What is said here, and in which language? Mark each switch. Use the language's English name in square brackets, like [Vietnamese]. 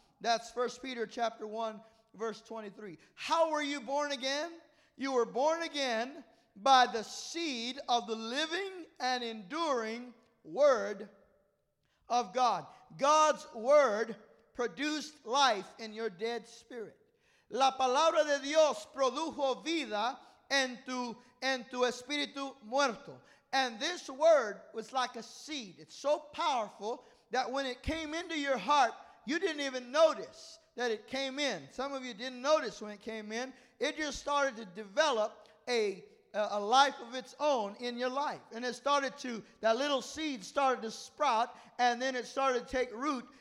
[English] That's 1 Peter chapter 1, verse 23. How were you born again? You were born again by the seed of the living and enduring word of God. God's word produced life in your dead spirit. [Spanish] La palabra de Dios produjo vida en tu espíritu muerto. [English] And this word was like a seed. It's so powerful that when it came into your heart, you didn't even notice that it came in. Some of you didn't notice when it came in. It just started to develop a life of its own in your life. And it started to, that little seed started to sprout, and then it started to take root.